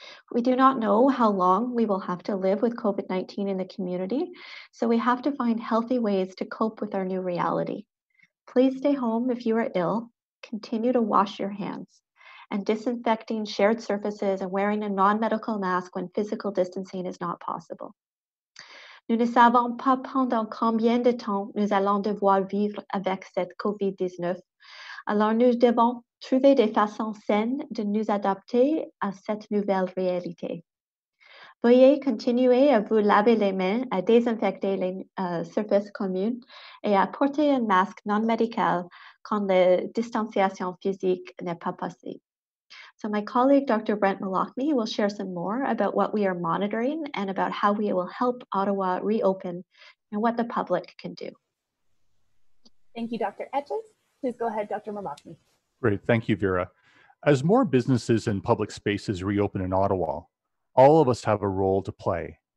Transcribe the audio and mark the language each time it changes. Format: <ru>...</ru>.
<en>We do not know how long we will have to live with COVID-19 in the community, so we have to find healthy ways to cope with our new reality. Please stay home if you are ill, continue to wash your hands, and disinfecting shared surfaces and wearing a non-medical mask when physical distancing is not possible.</en> <fr>Nous ne savons pas pendant combien de temps nous allons devoir vivre avec cette COVID-19. Alors nous devons trouver des façons saines de nous adapter à cette nouvelle réalité. Veuillez continuer à vous laver les mains, à désinfecter les surfaces communes et à porter un masque non médical quand la distanciation physique n'est pas possible.</fr> <en>So my colleague, Dr. Brent Malachny, will share some more about what we are monitoring and about how we will help Ottawa reopen and what the public can do. Thank you, Dr. Etches. Please go ahead, Dr. Malachny. Great. Thank you, Vera. As more businesses and public spaces reopen in Ottawa, all of us have a role to play.</en>